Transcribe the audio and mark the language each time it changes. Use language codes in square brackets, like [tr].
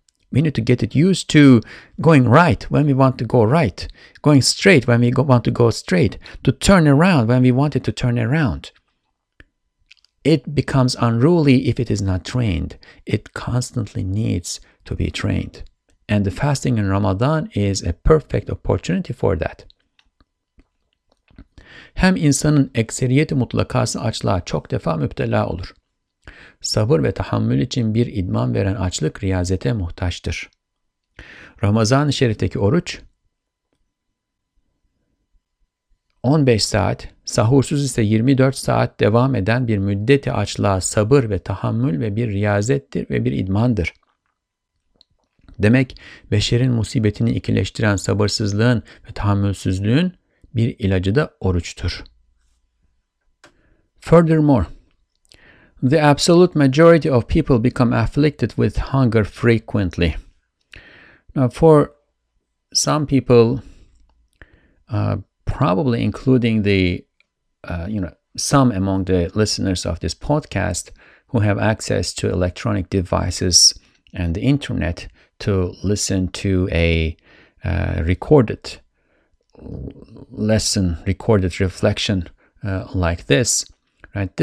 [en] We need to get it used to going right when we want to go right, going straight when we want to go straight, to turn around when we want it to turn around. It becomes unruly if it is not trained. It constantly needs to be trained. And the fasting in Ramadan is a perfect opportunity for that. [tr] Hem insanın ekseriyeti mutlakası açlığa çok defa müptela olur. Sabır ve tahammül için bir idman veren açlık riyazete muhtaçtır. Ramazan-ı Şerif'teki oruç 15 saat, sahursuz ise 24 saat devam eden bir müddeti açlığa sabır ve tahammül ve bir riyazettir ve bir idmandır. Demek beşerin musibetini ikileştiren sabırsızlığın ve tahammülsüzlüğün bir ilacı da oruçtur. [en] Furthermore, the absolute majority of people become afflicted with hunger frequently. Now, for some people, probably including the, some among the listeners of this podcast who have access to electronic devices and the internet to listen to a recorded lesson, recorded reflection like this, right?